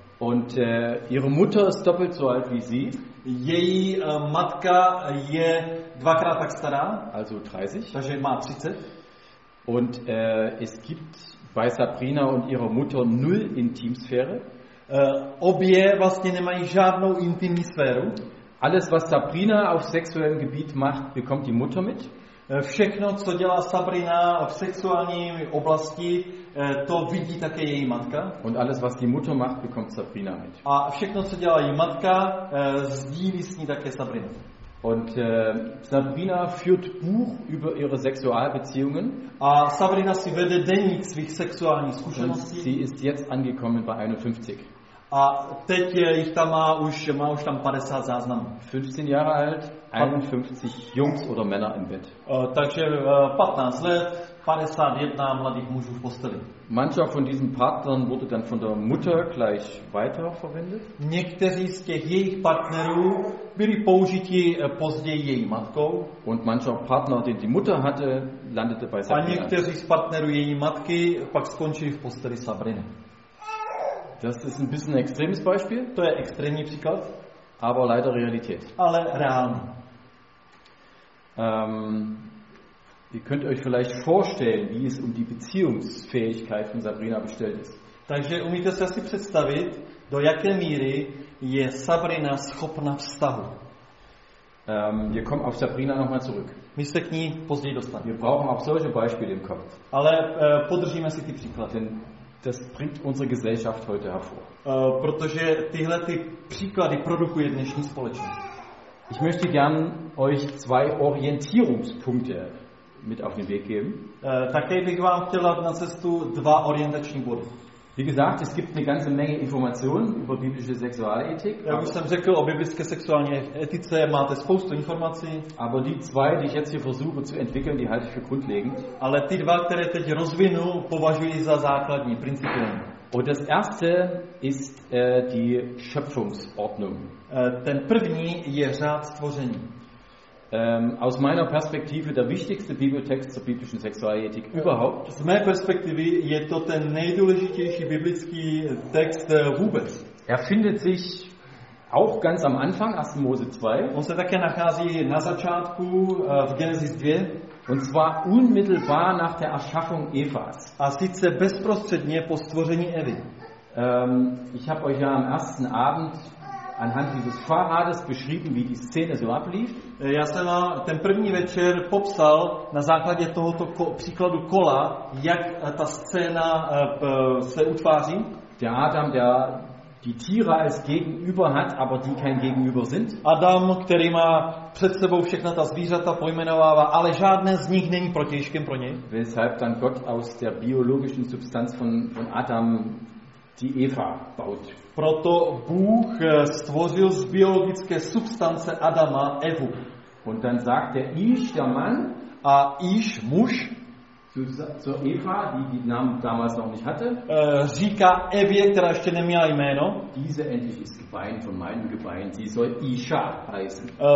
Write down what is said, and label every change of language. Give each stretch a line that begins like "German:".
German: Und ihre Mutter ist doppelt so alt wie sie.
Czech: Její matka je dvakrát tak stará.
German: Also 30.
Czech: Takže má 30.
German: Und es gibt bei Sabrina und ihrer Mutter null Intimsphäre.
Czech: Obě vlastně nemají žádnou intimní sféru.
German: Alles, was Sabrina auf sexuellem Gebiet macht, bekommt die Mutter mit.
Czech: Všechno, co dělá Sabrina v sexuální oblasti, to vidí také její matka.
German: Und alles, was die Mutter macht, bekommt Sabrina mit.
Czech: A všechno, co dělá její matka, sdílí s ní také Sabrina.
German: Und Sabrina führt Buch über ihre Sexualbeziehungen.
Czech: A Sabrina si vede deník svých sexuálních zkušeností.
German: Sie ist jetzt angekommen bei 51.
Czech: A teď ich tam má už tam 50 záznamů.
German: 15 Jahre alt, 51 Jungs oder Männer im Bett.
Czech: Takže 15 let, 51 mladých mužů v posteli.
German: Mancher von diesen Partnern wurde dann von der Mutter gleich weiter verwendet.
Czech: Někteří z těch jejich partnerů byli použiti později její matkou.
German: Und mancher Partner, den die Mutter hatte, landete bei Sabrina.
Czech: A někteří z partnerů její matky pak skončili v posteli Sabriny.
German: Das ist ein bisschen extremes Beispiel.
Czech: To je extrémní příklad.
German: Aber leider Realität.
Czech: Ale reálně.
German: Ihr könnt euch vielleicht vorstellen, wie es um die Beziehungsfähigkeit von Sabrina bestellt ist.
Czech: Takže umíte si asi představit, do jaké míry je Sabrina schopna vztahu.
German: Wir kommen auf Sabrina nochmal zurück.
Czech: My se k ní později dostaneme.
German: Wir brauchen auch solche Beispiele im Kopf.
Czech: Ale podržíme si ty příklady.
German: Das bringt unsere Gesellschaft heute hervor.
Czech: Protože tyhle ty příklady produkuje dnešní společnost.
German: Ich möchte gern euch zwei Orientierungspunkte mit auf den Weg geben.
Czech: Také bych vám chtěl dát na cestu dva orientační body.
German: Wie gesagt, es gibt eine ganze Menge Informationen über biblische Sexualethik.
Czech: Jak už jsem řekl, o biblické sexuální etice máte spoustu informací.
German: Aber die zwei, die ich jetzt hier versuche zu entwickeln, die halte ich für grundlegend.
Czech: Ale ty dva, které teď rozvinu, považuji za základní, principiální.
German: Und das erste ist die Schöpfungsordnung.
Czech: Ten první je řád stvoření.
German: Aus meiner Perspektive der wichtigste Bibeltext zur biblischen Sexualethik überhaupt.
Czech: Z mé perspektivy je to ten nejdůležitější biblický text vůbec.
German: Er findet sich auch ganz am Anfang, 1. Mose 2.
Czech: On se také nachází na začátku v Genesis 2.
German: Und zwar unmittelbar nach der Erschaffung Evas.
Czech: A sice bezprostředně po stvoření Evy.
German: Ich habe euch ja am ersten Abend anhand dieses Fahrrades beschrieben, wie die Szene so ablief.
Czech: Já jsem vám ten první večer popsal na základě tohoto příkladu kola, jak ta scéna se utváří.
German: Der Adam, der die Tiere als Gegenüber hat, aber die kein Gegenüber sind.
Czech: Adam, který má před sebou všechna ta zvířata, pojmenovává, ale žádné z nich není protějškem pro něj.
German: Weshalb dann Gott aus der biologischen Substanz von Adam die Eva baut.
Czech: Proto Bůh stvořil z biologické substance Adama Evu.
German: Und dann sagt der Ish, der Mann,
Czech: a Ish, muž,
German: zu Eva, die Namen damals noch nicht hatte,
Czech: říká Evě, která ještě neměla jméno,
German: diese endlich ist Gebein von meinem Gebein, sie soll Isha heißen.